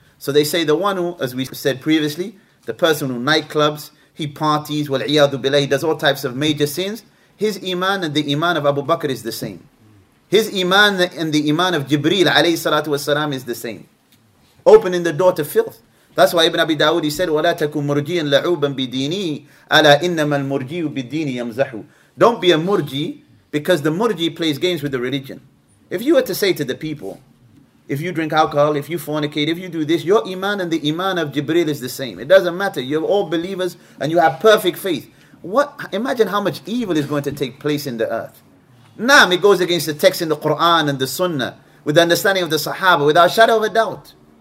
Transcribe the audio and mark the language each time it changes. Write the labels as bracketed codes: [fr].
[en] So they say the one who, as we said previously, the person who nightclubs, he parties, wal-iyadu billah, he does all types of major sins, his iman and the iman of Abu Bakr is the same. His iman and the iman of Jibreel alayhi salatu wasalam is the same. Opening the door to filth. That's why Ibn Abi Dawood, he said, [ar] وَلَا تَكُمْ مُرْجِيًا لَعُوبًا بِدِينِي أَلَا إِنَّمَا الْمُرْجِيُ بِدِينِي يَمْزَحُ. [en] Don't be a murji, because the murji plays games with the religion. If you were to say to the people, if you drink alcohol, if you fornicate, if you do this, your iman and the iman of Jibreel is the same. It doesn't matter. You're all believers and you have perfect faith. What? Imagine how much evil is going to take place in the earth. Naam, it goes against the text in the Quran and the Sunnah, with the understanding of the Sahaba, without a shadow of a doubt.